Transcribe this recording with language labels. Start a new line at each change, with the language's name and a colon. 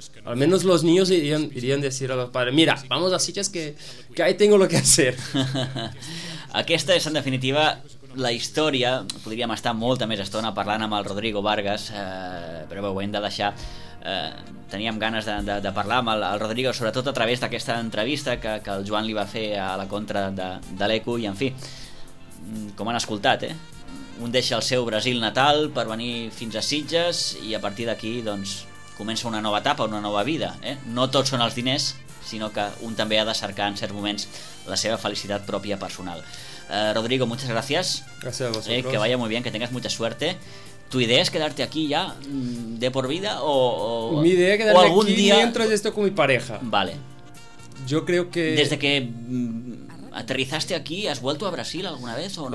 Spanish: Al menos los niños irían a decir a los padres, mira, vamos a Sitges que ahí tengo lo que hacer.
Catalan: Aquesta és, en definitiva, la història. Podríem estar molta més estona parlant amb el Rodrigo Vargas, però bé, ho hem de deixar. Teníem ganes de parlar amb el Rodrigo, sobretot a través d'aquesta entrevista que el Joan li va fer a la contra de l'Eco, i en fi, com han escoltat, eh? Un deixa el seu Brasil natal per venir fins a Sitges i a partir d'aquí doncs comença una nova etapa, una nova vida, eh? No tots són els diners, sinó que un també ha de cercar en certs moments la seva felicitat pròpia personal.
Spanish: Rodrigo, muchas gracias. Gracias a vosotros. Que vaya muy bien, que tengas mucha suerte. ¿Tu idea es quedarte aquí ya de por vida o mi idea es quedarme aquí día... mientras estoy con mi pareja? Vale. Yo creo que... ¿Desde que aterrizaste aquí has vuelto a Brasil alguna vez o no?